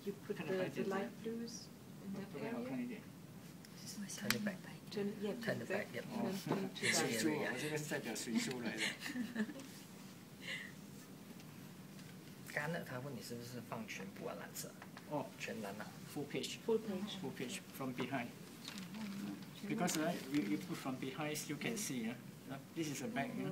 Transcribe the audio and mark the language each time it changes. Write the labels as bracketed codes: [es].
[en] You put the light blues in that area. [zh] 好看一点。 [en] Turn it back. Turn it back. Yep. [zh] 水珠，我这个是代表水珠来的。干了，他问你是不是放全部啊蓝色？哦，全蓝啊 [en] ，full page， full page， full page from behind。 Because you put from behind, you can see. This is a back.